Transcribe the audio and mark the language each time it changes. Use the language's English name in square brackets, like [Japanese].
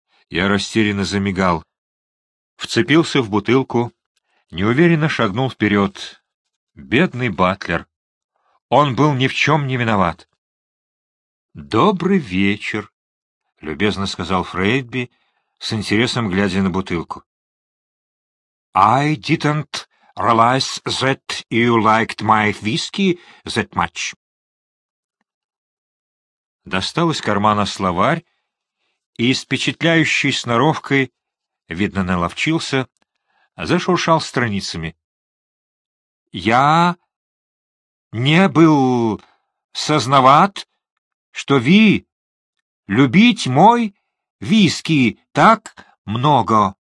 [Russian] Я растерянно замигал, вцепился в бутылку, неуверенно шагнул вперед. Бедный батлер! Он был ни в чем не виноват. — Добрый вечер! — любезно сказал Фрейдби, с интересом глядя на бутылку. [English] — I didn't realize that you liked my whiskey that much. [Russian] Достал из кармана словарь и, с впечатляющей сноровкой, видно, наловчился, зашуршал страницами. — Я не был сознават, что ви любить мой виски так много.